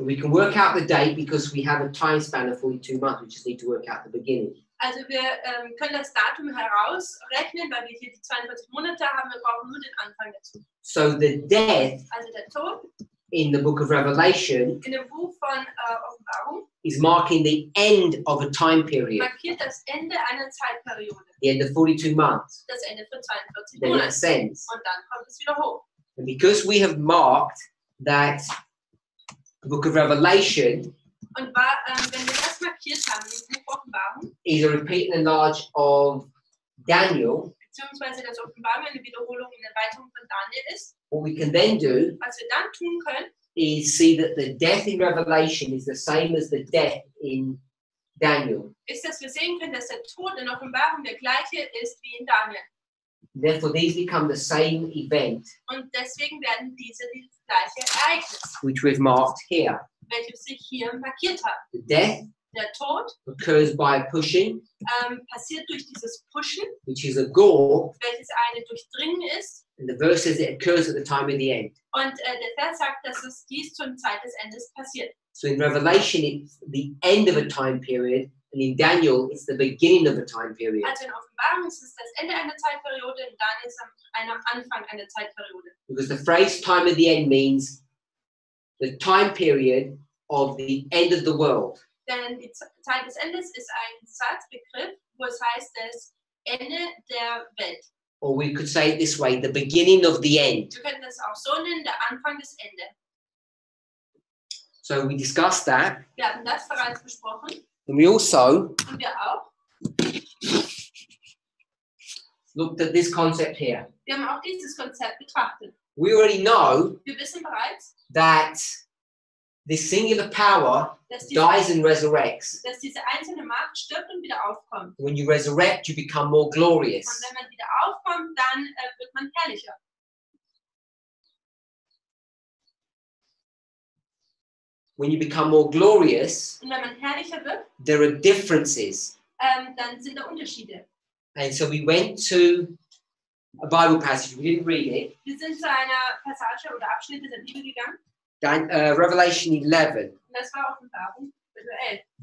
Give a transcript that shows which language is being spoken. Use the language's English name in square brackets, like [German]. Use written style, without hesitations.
[English] But we can work out the date because we have a time span of 42 months. We just need to work out the beginning. [German] Also wir können das Datum herausrechnen, weil wir hier die 42 Monate haben. Wir brauchen nur den Anfang dazu. [English] So the death. [German] Also der Tod. [English] In the book of Revelation. [German] In dem Buch von Offenbarung. [English] Is marking the end of a time period. [German] Markiert das Ende einer Zeitperiode. [English] The end of 42 months. [German] Das Ende von 42 Monaten. [English] It ascends. [German] Und dann kommt es wieder hoch. [English] And because we have marked that the book of Revelation. [German] Und war, wenn wir das markiert haben, im Buch Offenbarung. [English] Is a repeat and enlarge of Daniel. [German] Beziehungsweise das Offenbarung eine Wiederholung und Erweiterung von Daniel ist. [English] What we can then do. [German] Was wir dann tun können. [English] Is see that the death in Revelation is the same as the death in Daniel. [German] Ist, dass wir sehen können, dass der Tod in Offenbarung der gleiche ist wie in Daniel. [English] Therefore, these become the same event. [German] Und deswegen werden diese die gleiche Ereignis. [English] Which we've marked here. [German] Welche sich hier markiert hat. [English] The death. [German] Der Tod. [English] Occurs by pushing. [German] Passiert durch dieses Pushen. [English] Which is a gore. [German] Welches eine Durchdringen ist. [English] And the verse says it occurs at the time of the end. [German] Und der Vers sagt, dass es dies zum Zeit des Endes passiert. [English] So in Revelation it's the end of a time period, and in Daniel it's the beginning of a time period. [German] Also in Offenbarung ist es das Ende einer Zeitperiode, in Daniel ist es am Anfang einer Zeitperiode. [English] Because the phrase time of the end means the time period of the end of the world. [German] Denn die Zeit des Endes ist ein Satzbegriff, wo es heißt das Ende der Welt. [English] Or we could say it this way, the beginning of the end. [German] Wir können das auch so nennen, der Anfang des Ende. [English] So we discussed that. [German] Wir hatten das bereits besprochen. [English] And we also [German] und wir auch [English] looked at this concept here. [German] Wir haben auch dieses Konzept betrachtet. [English] We already know [German] wir wissen bereits, [English] that this singular power dies and resurrects. [German] Dass diese einzelne Macht stirbt und wieder aufkommt. [English] When you resurrect, you become more glorious. [German] Und wenn man wieder aufkommt, dann wird man herrlicher. [English] We When you become more glorious, [German] und wenn man herrlicher wird, [English] there are differences. [German] Dann sind da Unterschiede. [English] And so we went to a Bible passage. We didn't read it. [German] Wir sind zu einer Passage oder Abschnitt der Bibel gegangen. Dann, Revelation 11. Das war Offenbarung 11.